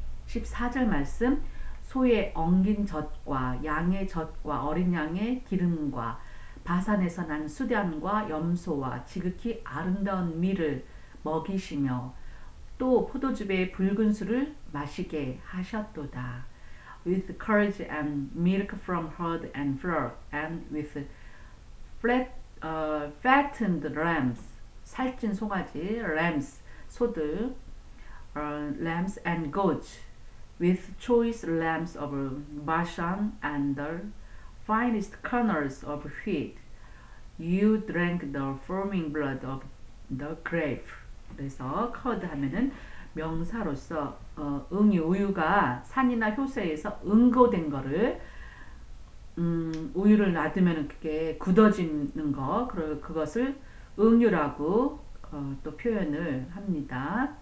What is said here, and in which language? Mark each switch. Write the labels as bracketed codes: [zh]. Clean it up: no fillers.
[ko] 14절 말씀. 소의 엉긴 젖과 양의 젖과 어린 양의 기름과 바산에서 난 수단과 염소와 지극히 아름다운 밀을 먹이시며 또 포도즙의 붉은 술을 마시게 하셨도다. [en] With curds and milk from herd and flock, and with fattened lambs, [ko] 살찐 송아지, [en] lambs, [ko] 소들, [en] lambs and goats, with choice lambs of Bashan and the finest kernels of wheat, you drank the foaming blood of the grape. [ko] 그래서 curd 하면은 명사로서 응유, 우유가 산이나 효소에서 응고된 거를 우유를 놔두면 그게 굳어지는 거, 그것을 응유라고 또 표현을 합니다.